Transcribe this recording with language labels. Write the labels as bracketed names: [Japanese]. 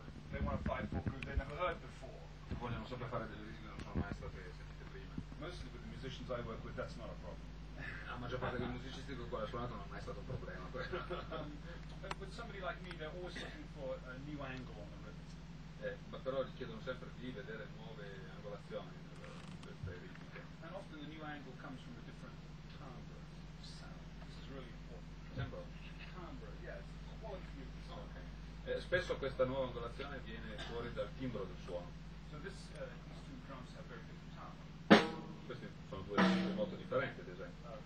[English] They want to fight for groove they never heard before. [Italian] Vogliono sempre fare delle cose che non sono mai state sentite prima. [English] Mostly with the musicians I work with, that's not a problem. [Italian] La maggior parte dei musicisti con cui ho suonato non è mai stato un problema. [English] But with somebody like me, they're always looking for a new angle on the rhythm. [Italian] Ma però chiedono sempre di vedere nuove angolazioni. [English] And often the new angle comes from a different timbre of sound. This is really important. [Italian] Tempo. [English] Timbre, yes. Quality of the sound. Okay. [Italian] Spesso questa nuova angolazione viene fuori dal timbro del suono. [English] So this, these two drums have very different timbre. [Italian] Questi sono due timbre molto differenti, ad esempio.